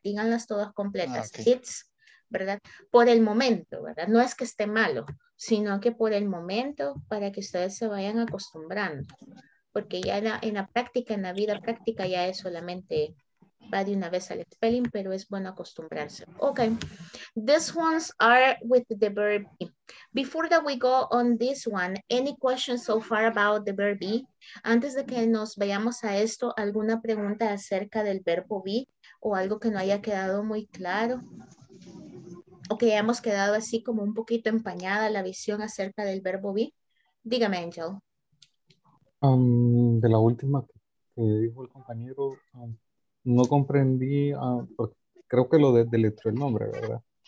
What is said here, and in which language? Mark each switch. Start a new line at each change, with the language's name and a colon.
Spanish: Díganlas todas completas. Ah, okay. Its, ¿verdad? Por el momento, ¿verdad? No es que esté malo, sino que por el momento para que ustedes se vayan acostumbrando. porque ya en la práctica, en la vida práctica, ya es solamente va de una vez al spelling, pero es bueno acostumbrarse.
English: Okay, these ones are with the verb be. Before that we go on this one, any questions so far about the verb be?
Spanish: Antes de que nos vayamos a esto, ¿alguna pregunta acerca del verbo be o algo que no haya quedado muy claro? ¿O que hayamos quedado así como un poquito empañada la visión acerca del verbo be? Dígame, Angel. De la última que dijo el compañero, no comprendí, creo que lo deletreó el nombre, ¿verdad?